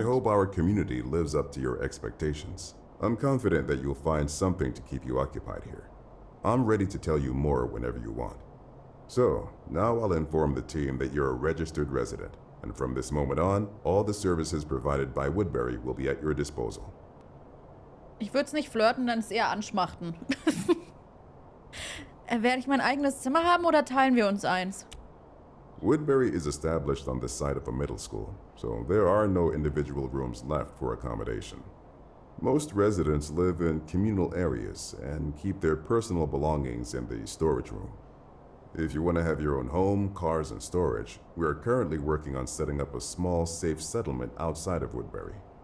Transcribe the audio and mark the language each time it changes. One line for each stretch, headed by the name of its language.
English: I hope our community lives up to your expectations. I'm confident that you'll find something to keep you occupied here. I'm ready to tell you more whenever you want. So, now I'll inform the team that you're a registered resident. And from this moment on, all the services provided by Woodbury will be at your disposal.
German: Ich würde es nicht flirten, dann ist eher anschmachten. Werde ich mein eigenes Zimmer haben oder teilen wir uns eins?
English: Woodbury is established on the site of a middle school, so there are no individual rooms left for accommodation. Most residents live in communal areas and keep their personal belongings in the storage room. If you want to have your own home, cars, and storage, we are currently working on setting up a small, safe settlement outside of Woodbury.